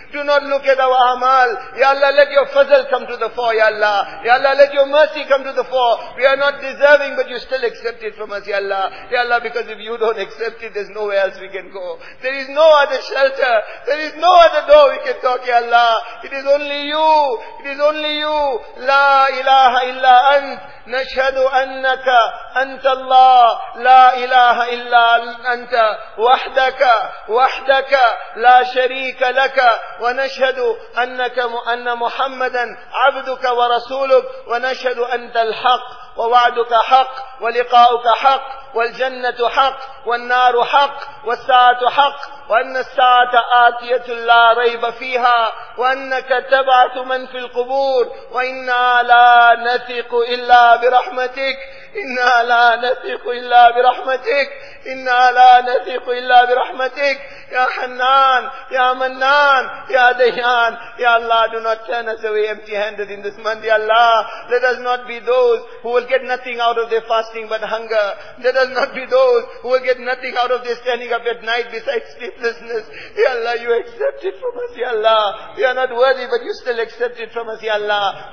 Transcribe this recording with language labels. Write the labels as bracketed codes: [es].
[en] Do not look at our amal. Ya Allah, let your fazl come to the fore, Ya Allah. Ya Allah, let your mercy come to the fore. We are not deserving, but you still accept it from us, Ya Allah. Ya Allah, because if you don't accept it, there's nowhere else we can go. There is no other shelter. There is no other door we can talk, Ya Allah. It is only you. It is only you. [ar] La ilaha illa ant. نشهد أنك أنت الله لا إله إلا أنت وحدك وحدك لا شريك لك ونشهد أنك أن محمدا عبدك ورسولك ونشهد أنت الحق ووعدك حق ولقاؤك حق والجنة حق والنار حق والساعة حق وأن الساعة آتية لا ريب فيها وأنك تبعث من في القبور وإنا لا نثق إلا برحمتك إنا لا نثق إلا برحمتك، إنا لا نثق إلا برحمتك، يا حنان يا منان يا ديان يا الله. [en] Do not turn us away empty handed in this month, يا الله. Let us not be those who will get nothing out of their fasting but hunger. Let us not be those who will get nothing out of their standing up at night besides sleeplessness. يا الله, you accept it from us, يا الله. We are not worthy, but you still accept it from us, يا الله.